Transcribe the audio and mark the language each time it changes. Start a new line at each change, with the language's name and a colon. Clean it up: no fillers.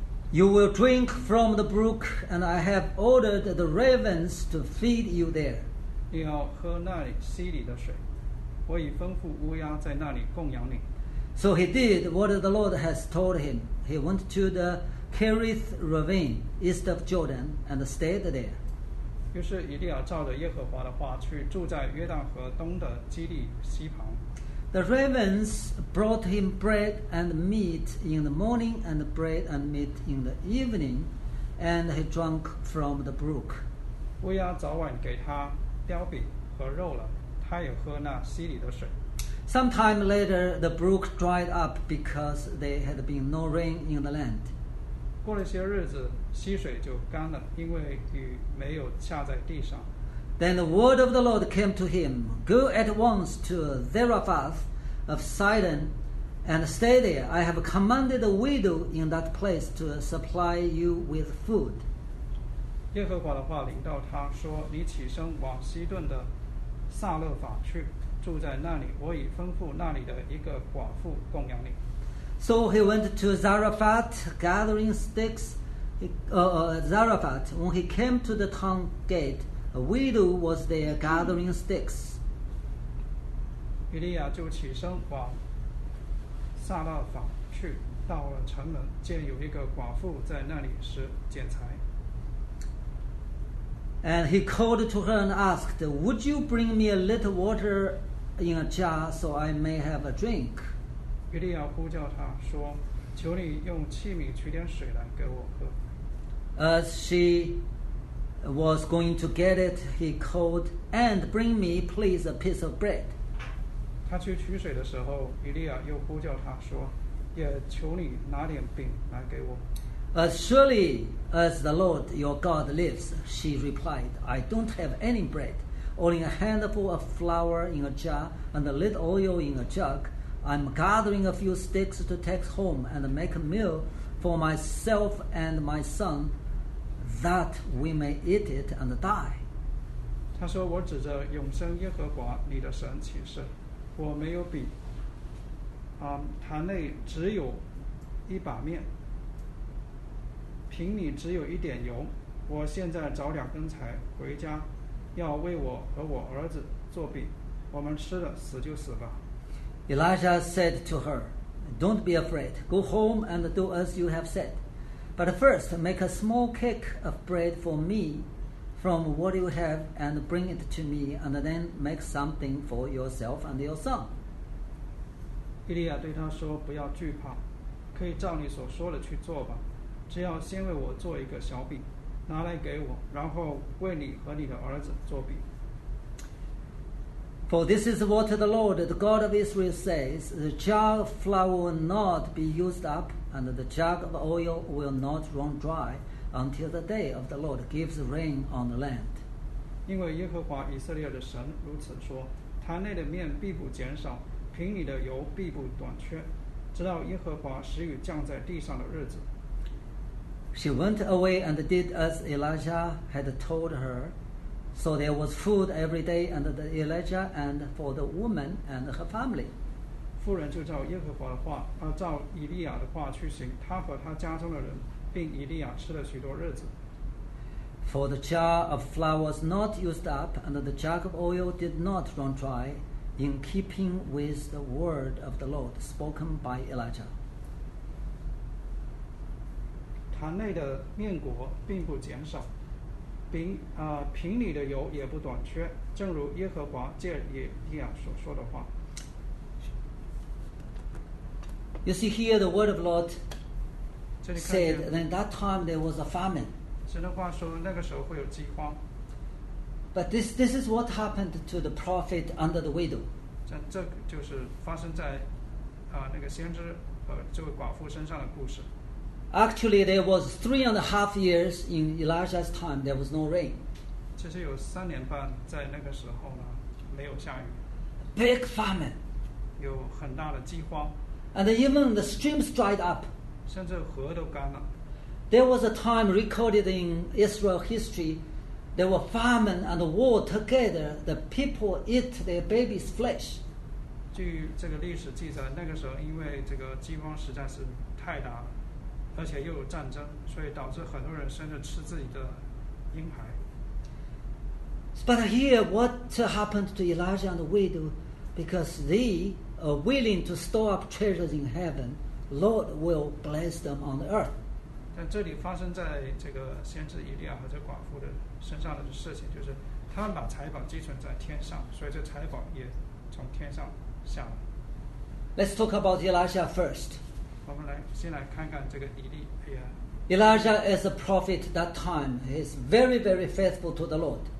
English: You will drink from the brook, and I have ordered the ravens to feed you there.
Chinese: 你要喝那里溪里的水，我已吩咐乌鸦在那里供养你。
English: So he did what the Lord has told him. He went to the Kerith Ravine, east of Jordan, and stayed there.
Chinese: 于是以利亚照着耶和华的话去住在约旦河东的基利溪旁。
English: The ravens brought him bread and meat in the morning and bread and meat in the evening, and he drank from the brook.
Chinese: 乌鸦早晚给他雕饼和肉了，他也喝那溪里的水。
English: Sometime later, the brook dried up because there had been no rain in the land.
Chinese: 过了些日子，溪水就干了，因为雨没有下在地上。
English: Then the word of the Lord came to him, Go at once to Zarephath of Sidon and stay there. I have commanded a widow in that place to supply you with food.
Chinese: 耶和华的话临到他说，你起身往西顿的撒勒法去，住在那里，我已吩咐那里的一个寡妇供养你。
English: So he went to Zarephath, gathering sticks. Zarephath, when he came to the town gate,A widow was there gathering sticks.
Chinese: 以利亚就起身往撒勒法去，到了城门，见有一个寡妇在那里拾捡柴。
English: And he called to her and asked, "Would you bring me a little water in a jar so I may have a drink?"
Chinese: 以利亚呼叫她说，求你用器皿取点水来给我喝。
English: As she was going to get it, he called, and bring me, please, a piece of bread.
Chinese: 他去取水的时候，以利亚又呼叫他说，也求你拿点饼来给我。
English: As surely as the Lord your God lives, she replied, I don't have any bread, only a handful of flour in a jar and a little oil in a jug. I'm gathering a few sticks to take home and make a meal for myself and my son. That we may eat it and die.
Chinese: 他说：“我指着永生耶和华你的神起誓，我没有饼，坛内只有一把面，瓶里只有一点油。我现在找两根柴回家，要为我和我儿子做饼，我们吃了死就死吧。”
English: Elijah said to her, "Don't be afraid. Go home and do as you have said." But first, make a small cake of bread for me from what you have and bring it to me, and then make something for yourself and your son.
Chinese: 伊利亚对他说，不要惧怕，可以照你所说的去做吧。只要先为我做一个小饼，拿来给我，然后为你和你的儿子做饼。
English: For this is what the Lord, the God of Israel, says, the jar of flour will not be used up,And the jug of oil will not run dry until the day of the Lord gives rain on the land.
Chinese: 因为耶和华以色列的神如此说，坛内的面必不减少，瓶里的油必不短缺，直到耶和华使雨降在地上的日子。
English: She went away and did as Elijah had told her. So there was food every day under Elijah and for the woman and her family.
Chinese: 妇人就照耶和华的话，照以利亚的话去行，她和她家中的人并以利亚吃了许多日子。
English: For the jar of flour was not used up, and the jug of oil did not run dry, in keeping with the word of the Lord spoken by Elijah.
Chinese: 坛内的面果并不减少，瓶里的油也不短缺，正如耶和华借以利亚所说的话。
English: You see here the word of the Lord said that in that time there was a famine.
Chinese: 神的话说那个时候会有饥荒。
English: But this is what happened to the prophet under the widow.
Chinese: 这就是发生在那个先知这位寡妇身上的故事。
English: Actually, there was 3.5 years in Elijah's time, there was no rain.
Chinese: 其实有三年半在那个时候呢，没有下雨。
English: Big famine.
Chinese: 有很大的饥荒。
English: And even the streams dried up.
Chinese: 甚至河都干了。
English: There was a time recorded in Israel history, there were famine and war together, the people eat their baby's flesh.
Chinese: 据这个历史记载，那个时候因为这个饥荒实在是太大了。而且又有战争，所以导致很多人甚至吃自己的婴孩。
English: But here, what happened to Elijah and the widow? Because they are willing to store up treasures in heaven, Lord will bless them on the earth.
Chinese: 但这里发生在这个先知以利亚和这寡妇的身上的事情，就是他们把财宝积存在天上，所以这财宝也从天上下来。
English: Let's talk about Elijah first.
Chinese: 我们先来看看这个以利亚。
English: Elijah is a prophet that time. He is very, very faithful to the Lord.